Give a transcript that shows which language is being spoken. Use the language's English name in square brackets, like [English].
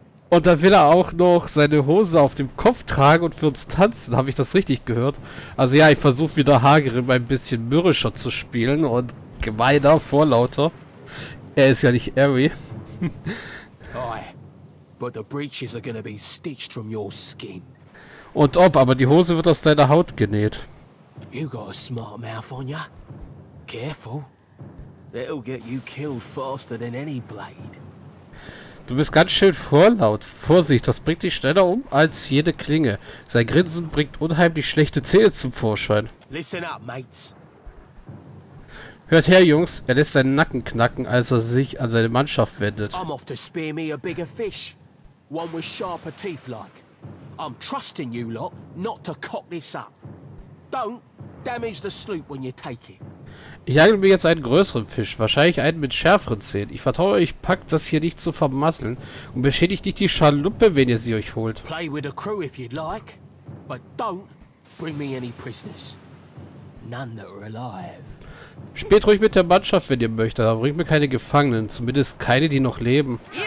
[German] Und dann will er auch noch seine Hose auf dem Kopf tragen und für uns tanzen. Habe ich das richtig gehört? Also ja, ich versuche wieder Hagrim ein bisschen mürrischer zu spielen und Gemeiner, Vorlauter. Er ist ja nicht Harry. [English] But the breeches are gonna be stitched from your skin. [German] Und ob, aber die Hose wird aus deiner Haut genäht. [English] You got a smart mouth on ya. Careful. That'll get you killed faster than any blade. [German] Du bist ganz schön vorlaut. Vorsicht, das bringt dich schneller um als jede Klinge. Sein Grinsen bringt unheimlich schlechte Zähne zum Vorschein. [English] Listen up, mates. [German] Hört her, Jungs, er lässt seinen Nacken knacken, als er sich an seine Mannschaft wendet. [English] I'm off to spear me a bigger fish. One with sharper teeth like. I'm trusting you lot, not to cock this up. Don't damage the sloop when you take it. [German] Ich angle mir jetzt einen größeren Fisch, wahrscheinlich einen mit schärferen Zähnen. Ich vertraue euch, packt das hier nicht zu vermasseln und beschädigt nicht die Schaluppe, wenn ihr sie euch holt. [English] Play with the crew if you'd like, but don't bring me any prisoners. None that are alive. [German] Spielt ruhig mit der Mannschaft, wenn ihr möchtet, aber bringt mir keine Gefangenen, zumindest keine, die noch leben.